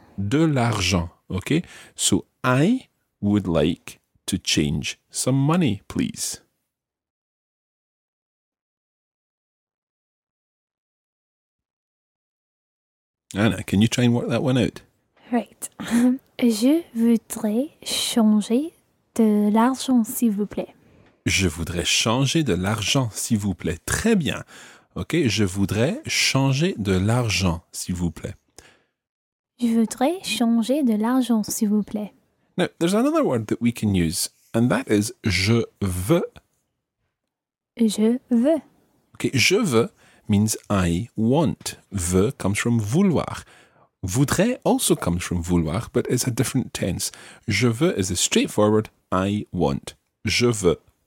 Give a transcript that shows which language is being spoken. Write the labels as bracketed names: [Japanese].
[French] De l'argent, okay. [English] So I would like to change some money, please. Anna, can you try and work that one out? Right. [French] Je voudrais changer de l'argent, s'il vous plaît. Je voudrais changer de l'argent, s'il vous plaît. Très bien. Ok, je voudrais changer de l'argent, s'il vous plaît. Je voudrais changer de l'argent, s'il vous plaît. [English] Now, there's another word that we can use, and that is [French] je veux. Je veux. [English] Ok, [French] je veux [English] means I want. Veux comes from vouloir. Voudrais also comes from vouloir, but it's a different tense. [French] Je veux [English] is a straightforward I want. [French] Je veux.